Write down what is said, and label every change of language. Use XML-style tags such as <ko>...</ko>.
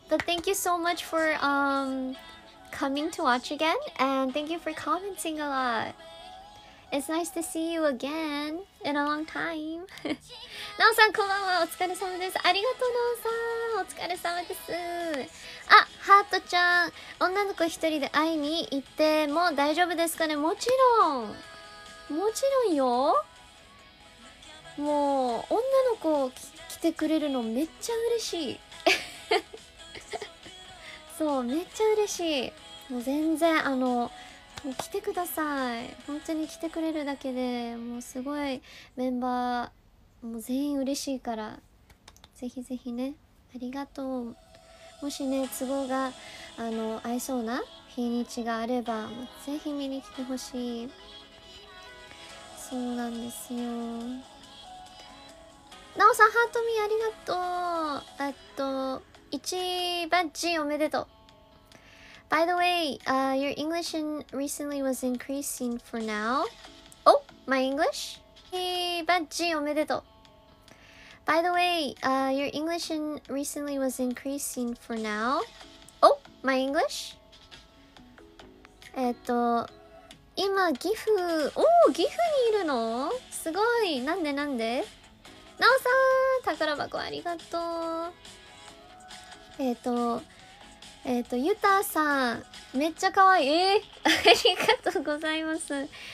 <en>But thank you so much for coming to watch again, and thank you for commenting a lot. It's nice to see you again in a long time.</en> <ja>なおさん、こんばんは。お疲れ様です。ありがとう、なおさん。お疲れ様です。あ、ハートちゃん。女の子一人で会いに行っても大丈夫ですかね？もちろん。もちろんよ。もう、女の子来てくれるのめっちゃ嬉しい。そう、めっちゃ嬉しい。もう全然、もう来てください。本当に来てくれるだけでもうすごい、メンバーもう全員嬉しいから、ぜひぜひね、ありがとう。もしね、都合が合いそうな日にちがあれば、もうぜひ見に来てほしい。そうなんですよ。なおさん、ハートミーありがとう。一番地おめでとう。</ja> <en>By the way, your English recently was increasing for now. Oh, my English? Hey, badge, omedeto. By the way, your English recently was increasing for now. Oh, my English?</en> <ja>今、岐阜、おー、岐阜にいるの？すごい、なんでなんで？なおさん、宝箱ありがとう。ユタさん、めっちゃかわいい。ありがとうございます。</ja>